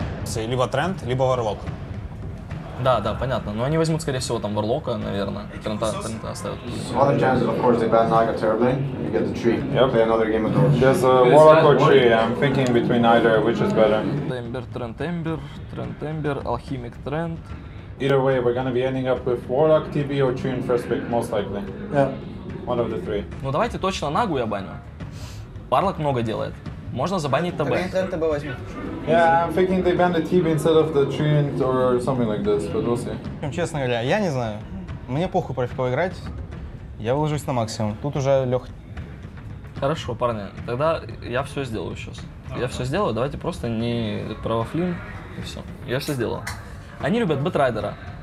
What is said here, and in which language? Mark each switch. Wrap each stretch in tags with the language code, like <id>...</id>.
<ru>Это либо Трент, либо Варлок. Да, да, понятно. Но они возьмут, скорее всего, там Варлока, наверное. Трента оставят.</ru> <en>Other chances, of course, they ban Naga terribly. You get the tree. Yep. Play another game of Dota. There's a Warlock or tree. I'm thinking between either, which is better.</en> <ru>Ember, Трент, Ember, Трент, Ember, Алхимик, Трент.</ru> <en>Either way, we're gonna be ending up with Warlock, TB or Tree in first pick, most likely. Yeah. One of the three.</en> <ru>Ну давайте точно Нагу я баню. Warlock много делает. Можно забанить ТБ. ТБ возьмите.</ru> <en>Yeah, I'm thinking they ban the TB instead of the Tree or something like this, but we'll see.</en> <ru>Честно говоря, я не знаю. Мне похуй против кого играть. Я выложусь на максимум. Тут уже лег. Хорошо, парни. Тогда я все сделаю сейчас. Я все сделаю. Давайте просто не провафлим и все. Я все сделаю. Они любят Бэтрайдера.</ru>